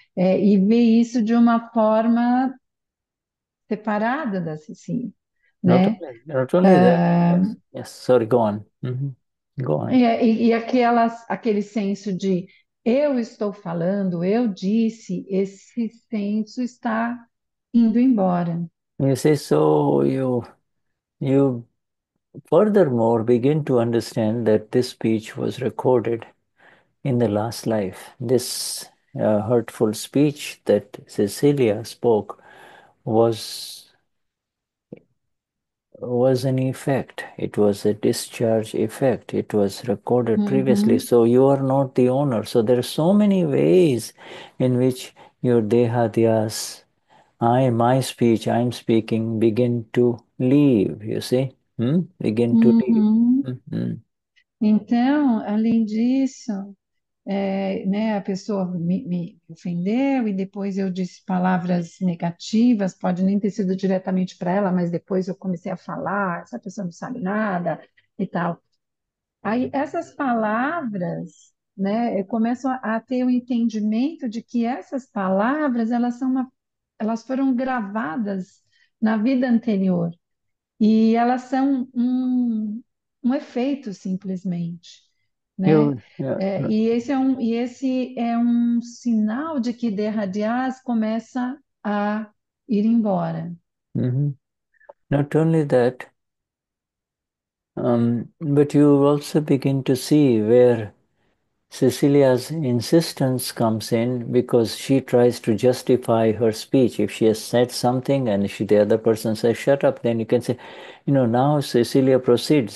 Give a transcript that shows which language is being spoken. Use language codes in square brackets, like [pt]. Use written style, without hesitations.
[pt] É, e vê isso de uma forma separada da Cecília, né? [en] Not only that. Yes, sorry, go on. Go on. [pt] E aquele senso de eu estou falando, eu disse, esse senso está indo embora. [en] You see, so you furthermore begin to understand that this speech was recorded in the last life. This hurtful speech that Cecilia spoke was an effect. It was a discharge effect. It was recorded previously. So you are not the owner. So there are so many ways in which your dehadias, my speech, I'm speaking, begin to leave, you see? Begin to leave. [pt] Então, além disso, né, a pessoa me ofendeu e depois eu disse palavras negativas, pode nem ter sido diretamente para ela, mas depois eu comecei a falar, essa pessoa não sabe nada e tal. Aí essas palavras, né, eu começo a ter o um entendimento de que essas palavras, elas foram gravadas na vida anterior. E elas são um efeito, simplesmente, né? É, e esse é um sinal de que derradiás começa a ir embora. [en] Not only that, but you also begin to see where Cecilia's insistence comes in, because she tries to justify her speech. If she has said something and the other person says, "Shut up," then you can say, "Now Cecilia proceeds."